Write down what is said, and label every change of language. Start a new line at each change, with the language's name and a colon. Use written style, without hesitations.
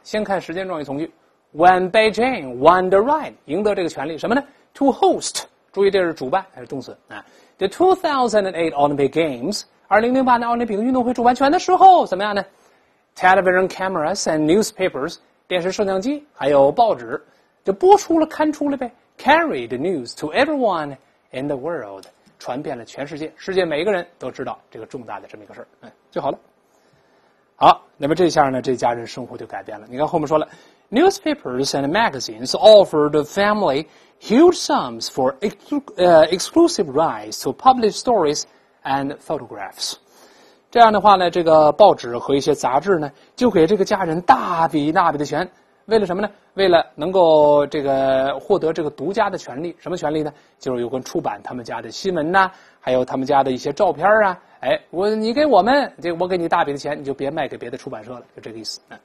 Chinese: 先看时间状语从句 ，
English: When Beijing won the right，
Chinese: 赢得这个权利什么呢 ？
English: To host，
Chinese: 注意这是主办还是动词啊 ？
English: The 2008 Olympic Games，
Chinese: 2008年奥林匹克运动会主办权的时候怎么样呢 ？
English: Television cameras and newspapers，
Chinese: 电视摄像机还有报纸，就播出了刊出了呗 ，
English: carry the news to everyone in the world，
Chinese: 传遍了全世界，世界每一个人都知道这个重大的这么一个事儿，就好了。好，那么这下呢，这家人生活就改变了。你看后面说了
English: ，newspapers and magazines offered the family huge sums for exclusive rights to publish stories and photographs。
Chinese: 这样的话呢，这个报纸和一些杂志呢，就给这个家人大笔大笔的钱，为了什么呢？为了能够这个获得这个独家的权利。什么权利呢？就是有关出版他们家的新闻呐，还有他们家的一些照片啊。你给我们，我给你大笔的钱，你就别卖给别的出版社了，就这个意思。